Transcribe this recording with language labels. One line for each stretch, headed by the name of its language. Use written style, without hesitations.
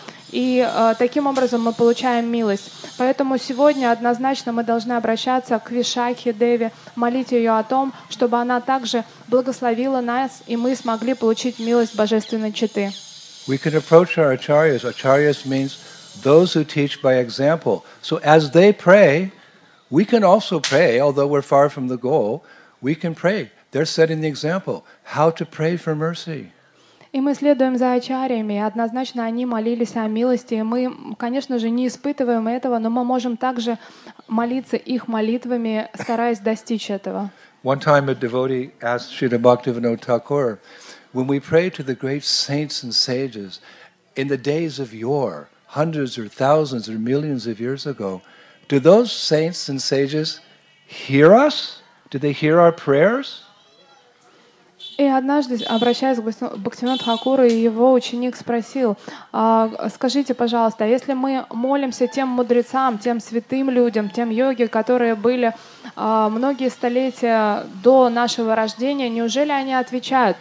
Russian: И таким образом мы получаем милость. Поэтому сегодня однозначно мы должны обращаться к Вишакхе Деве, молить ее о том, чтобы она также благословила нас, и мы смогли получить милость Божественной Читы.
English: We can approach our acharyas. Acharyas means those who teach by example. So as they pray, we can also pray, although we're far from the goal, we can pray. They're setting the example, how to pray for mercy.
Russian: И мы следуем за ачарьями, однозначно они молились о милости. Мы, конечно же, не испытываем этого, но мы можем также молиться их молитвами, стараясь достичь этого.
English: One time a devotee asked Srila Bhaktivinoda Thakur, when we pray to the great saints and sages in the days of yore, hundreds or thousands or millions of years ago, do those saints and sages hear us? Do they hear our prayers?
Russian: И однажды, обращаясь к Бхактивинода Тхакуру, его ученик спросил: «Скажите, пожалуйста, если мы молимся тем мудрецам, тем святым людям, тем йоги, которые были многие столетия до нашего рождения, неужели они отвечают?